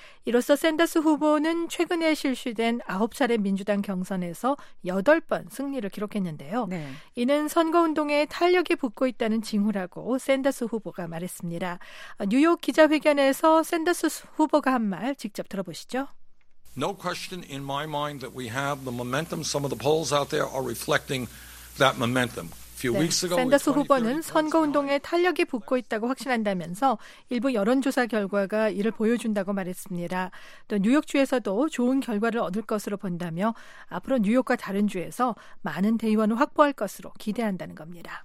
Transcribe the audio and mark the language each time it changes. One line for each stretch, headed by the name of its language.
Korean: 이로써 샌더스 후보는 최근에 실시된 9차례 민주당 경선에서 8번 승리를 기록했는데요. 네. 이는 선거운동에 탄력이 붙고 있다는 징후라고 샌더스 후보가 말했습니다. 뉴욕 기자회견에서 샌더스 후보가 한 말 직접 들어보시죠.
English: No question in my mind that we have the momentum. Some of the polls out there are reflecting that momentum.
Korean: 네, 샌더스 후보는 선거운동에 탄력이 붙고 있다고 확신한다면서 일부 여론조사 결과가 이를 보여준다고 말했습니다. 또 뉴욕주에서도 좋은 결과를 얻을 것으로 본다며 앞으로 뉴욕과 다른 주에서 많은 대의원을 확보할 것으로 기대한다는 겁니다.